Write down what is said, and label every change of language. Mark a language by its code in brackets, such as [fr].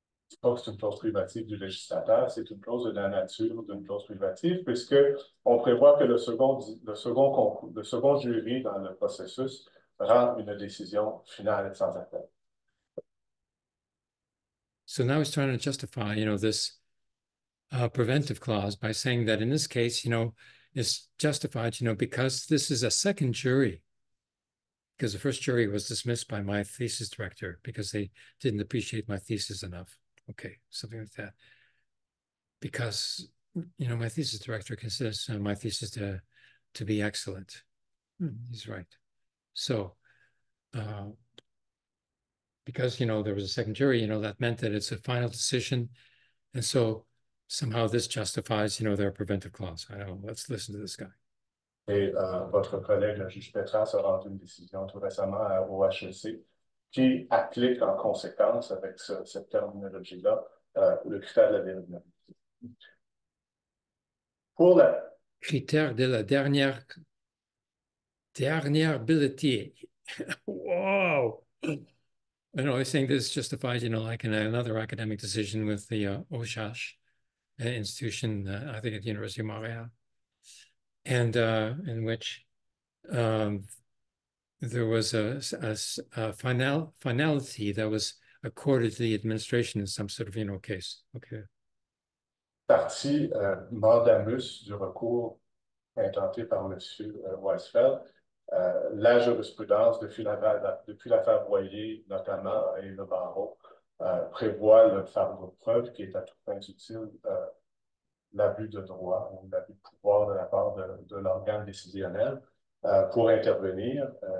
[fr] C'est une clause privative du législateur, c'est une clause de la nature d'une clause privative, puisque on prévoit que le second jury dans le processus rend une décision finale et sans appel. [en] So now he's trying to justify, you know, this preventive clause by saying that in this case, you know, it's justified, you know, because this is a second jury. Because the first jury was dismissed by my thesis director because they didn't appreciate my thesis enough. Okay, something like that. Because, you know, my thesis director considers my thesis to be excellent. He's right. So... because, you know, there was a second jury, you know, that meant that it's a final decision. And so somehow this justifies, you know, their preventive clause. I don't know. Let's listen to this guy. [fr] Et votre collègue, le juge Petras, a rendu une décision tout récemment au HEC qui applique en conséquence avec cette terminologie-là le critère de la vulnérabilité. Pour le critère de la dernière [en] ability. Wow! [fr] I don't know, I think this justifies, you know, like in another academic decision with the OSHASH institution, I think at the University of Montréal, and in which there was a finality that was accorded to the administration in some sort of, you know, case. [en] Okay. [fr] Partie mandamus du recours intenté par Monsieur Weisfeld. La jurisprudence depuis l'affaire Boyer, notamment, et le barreau, prévoit le fardeau de preuve qui est à tout point utile l'abus de droit ou l'abus de pouvoir de la part de l'organe décisionnel pour intervenir.